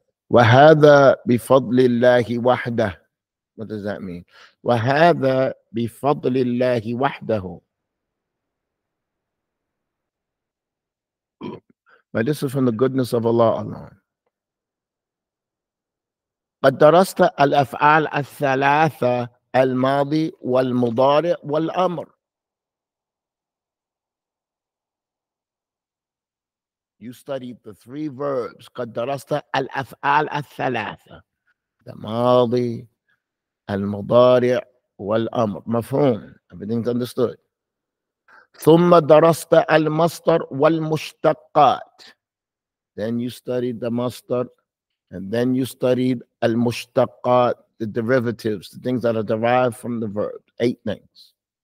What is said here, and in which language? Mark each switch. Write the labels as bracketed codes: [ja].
[ar] Wahada bifadlillahi wahda. [en] What does that mean? [ar] وَهَذَا بِفَضْلِ اللَّهِ وَحْدَهُ. [en] But this is from the goodness of Allah alone. [ar] قَدْ دَرَسْتَ الْأَفْعَالَ الثَّلَاثَةَ الْمَاضِي وَالْمُضَارِعَ وَالْأَمْرَ. [en] You studied the three verbs. [ar] قَدْ دَرَسْتَ الْأَفْعَالَ الثَّلَاثَةَ, the ماضي, المضارع والأمر, مفهوم, [en] everything's understood. [ar] ثم درست المصدر والمشتقات. [en] Then you studied the مصدر, and then you studied المشتقات, the derivatives, the things that are derived from the verb, eight things.